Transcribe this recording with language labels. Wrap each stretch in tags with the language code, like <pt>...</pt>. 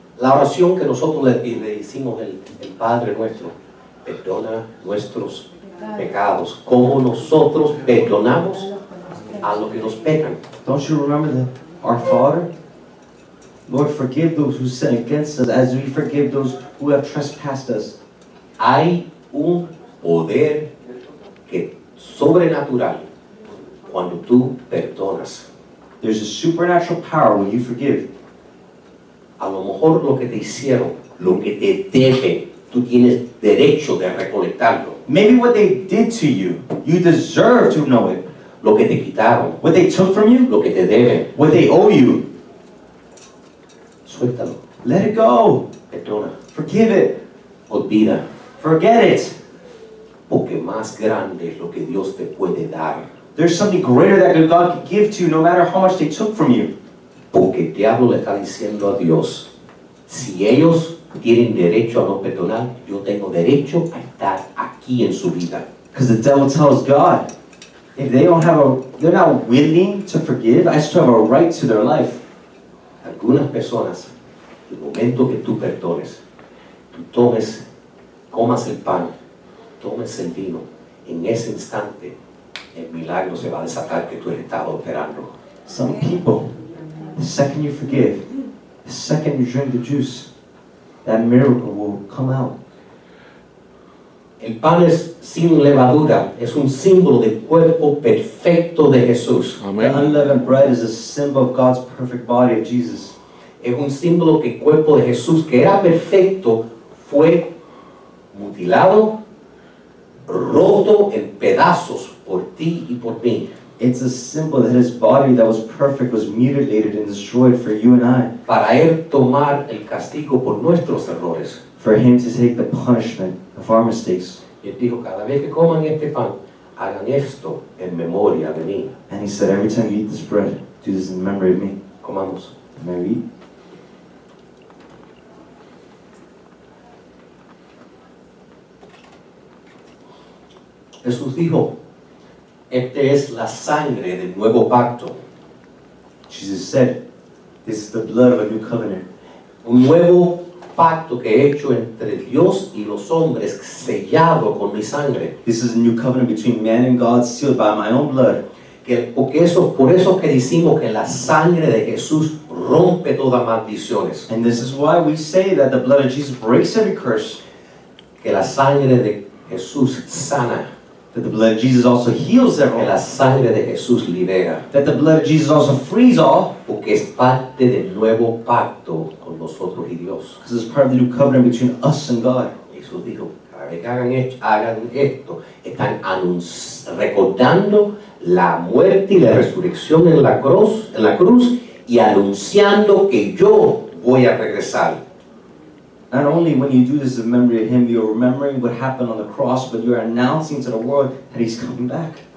<es>La oración que nosotros le hicimos el Padre Nuestro, perdona nuestros pecados, como nosotros perdonamos a los que nos pecan.</es> <en>Don't you remember that? Our Father, Lord, forgive those who sin against us as we forgive those who have trespassed us.</en> <es>Hay un poder que sobrenatural cuando tú perdonas.</es> <en>There's a supernatural power when you forgive.</en> <es>A lo mejor lo que te hicieron, lo que te debe, tú tienes derecho de recolectarlo.</es> <en>Maybe what they did to you, you deserve to know it.</en> <es>Lo que te quitaron.</es> <en>What they took from you.</en> <es>Lo que te deben.</es> <en>What they owe you.</en> <es>Suéltalo.</es> <en>Let it go.</en> <es>Perdona.</es> <en>Forgive it.</en> <es>Olvida.</es> <en>Forget it.</en> <es>Porque más grande es lo que Dios te puede dar.</es> <en>There's something greater that God could give to you no matter how much they took from you.</en> <es>Porque el diablo le está diciendo a Dios, si ellos tienen derecho a no perdonar, yo tengo derecho a estar aquí en su vida.</es> <en>Because the devil tells God, if they don't have they're not willing to forgive, I still have a right to their life.</en> <es>Algunas personas, el momento que tú perdones, tú tomes, comas el pan, tomes el vino, en ese instante, el milagro se va a desatar que tú eres estado operando.</es> <en>Some people, the second you forgive, the second you drink the juice, that miracle will come out.</en> <es>El pan es sin levadura. Es un símbolo del cuerpo perfecto de Jesús.</es> <en>Amen. The unleavened bread is a symbol of God's perfect body of Jesus.</en> <es>Es un símbolo que el cuerpo de Jesús, que era perfecto, fue mutilado, roto en pedazos por ti y por mí.</es> <en>It's a symbol that his body that was perfect was mutilated and destroyed for you and I.</en> <es>Para él tomar el castigo por nuestros errores.</es> <en>For him to take the punishment of our mistakes.</en> <es>Y él dijo, cada vez que coman este pan, hagan esto en memoria de mí.</es> <en>And he said, every time you eat this bread, do this in memory of me.</en> <es>Comamos.</es> <en>May we eat?</en> <es>Jesús dijo, esta es la sangre del nuevo pacto.</es> <en>Jesus said, This is the blood of a new covenant.</en> <es>Un nuevo pacto que he hecho entre Dios y los hombres, sellado con mi sangre.</es> <en>This is a new covenant between man and God, sealed by my own blood.</en> <es>Que, eso, por eso que decimos que la sangre de Jesús rompe todas maldiciones.</es> <en>And this is why we say that the blood of Jesus breaks every curse.</en> <es>Que la sangre de Jesús sana.</es> <en>That the blood of Jesus also heals everyone.</en> <es>Que la sangre de Jesús libera.</es> <en>That the blood of Jesus also frees all.</en> <es>Porque es parte del nuevo pacto con nosotros y Dios.</es> <en>Because it's part of the new covenant between us and God.</en> <es>Jesús dijo, cada vez que hagan esto, están recordando la muerte y la resurrección en la cruz, y anunciando que yo voy a regresar.</es> <en>Not only when you do this in memory of him, you're remembering what happened on the cross, but you're announcing to the world that he's coming back.</en>